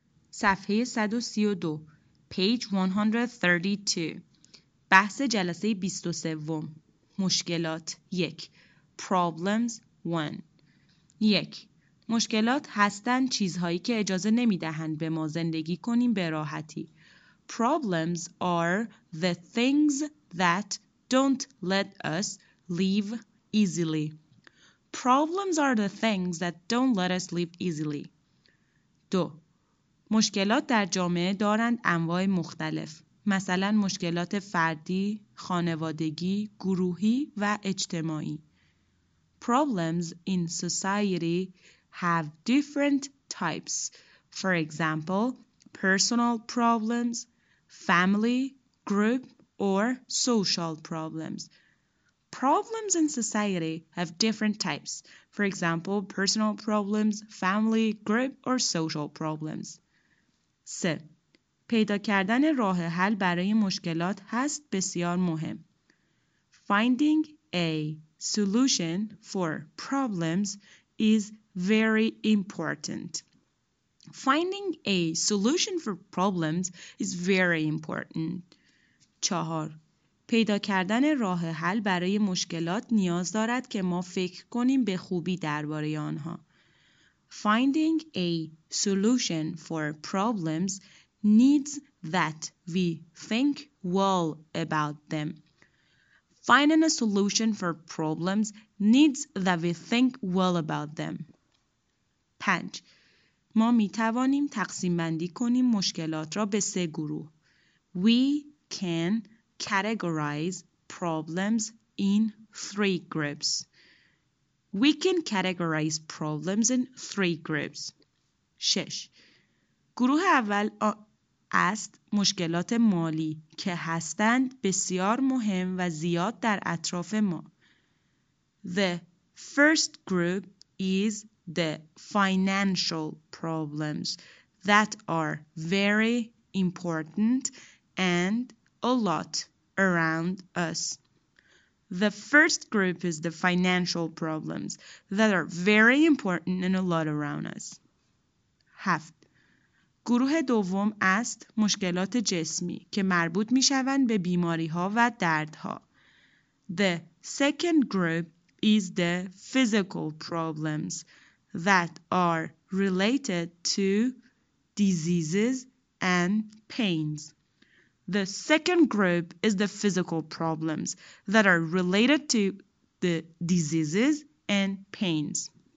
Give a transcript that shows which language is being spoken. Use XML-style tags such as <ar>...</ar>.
<fa>صفحه 132</fa> <en>page 132</en> <fa>بحث جلسه 23 مشکلات 1</fa> <en>problems 1</en> <fa>1 مشکلات هستند چیزهایی که اجازه نمیدهند به ما زندگی کنیم به راحتی.</fa> <en>Problems are the things that don't let us live easily. Problems are the things that don't let us live easily.</en> <fa>2 مشکلات در جامعه دارند انواع مختلف، مثلا مشکلات فردی، خانوادگی، گروهی و اجتماعی.</fa> <en>Problems in society have different types. For example, personal problems, family, group, or social problems. Problems in society have different types. For example, personal problems, family, group, or social problems. 3.</en> <fa>پیدا کردن راه حل برای مشکلات هست بسیار مهم.</fa> <en>Finding a solution for problems is very important. Finding a solution for problems is very important. 4.</en> <fa>پیدا کردن راه حل برای مشکلات نیاز دارد که ما فکر کنیم به خوبی درباره آنها.</fa> <en>Finding a solution for problems needs that we think well about them. Finding a solution for problems needs that we think well about them. 5.</en> <fa>ما می توانیم تقسیم بندی کنیم مشکلات را به 3 گروه.</fa> <en>We can categorize problems in 3 groups. We can categorize problems in 3 groups. 6.</en> <fa>گروه اول است مشکلات مالی که هستند بسیار مهم و زیاد در اطراف ما.</fa> <en>The first group is the financial problems that are very important and a lot around us. The first group is the financial problems that are very important and a lot around us. 7.</en> <fa>گروه دوم است مشکلات جسمی که مربوط می شوند به بیماری ها و درد ها.</fa> <en>The second group is the physical problems that are related to diseases and pains. The second group is the physical problems that are related to the diseases and pains.</en>